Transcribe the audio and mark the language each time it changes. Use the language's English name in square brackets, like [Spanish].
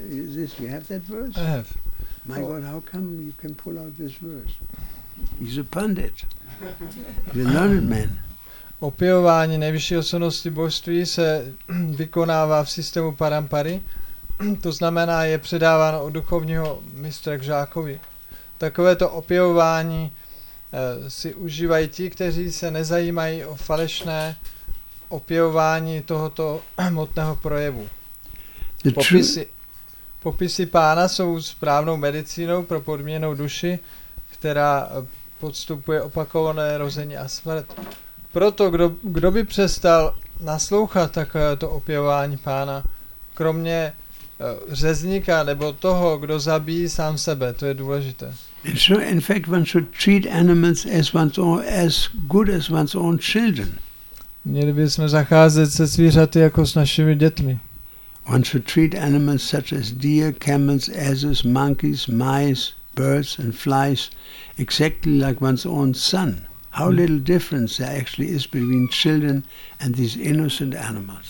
[English] Is this, you have that verse? I have. My God, how come you can pull out this verse? He's a pundit. He's a learned man. [Czech] Opěvování nejvyšší osobnosti božství se vykonává v systému parampary. To znamená, je předáváno od duchovního mistra k žákovi. takovéto opěvování si užívají ti, kteří se nezajímají o falešné opěvování tohoto hmotného projevu. Popisy pána jsou správnou medicínou pro podměnou duši, která podstupuje opakované rození a smrt. Proto kdo by přestal naslouchat takovéto opěvování pána, kromě řezníka nebo toho, kdo zabíjí sám sebe, to je důležité. [English] So in fact, one should treat animals as one's own, as good as one's own children. [Czech] Měli bychom zacházet se zvířaty jako s našimi dětmi. [English] One should treat animals such as deer, camels, asses, monkeys, mice, birds and flies exactly like one's own son. How little difference there actually is between children and these innocent animals.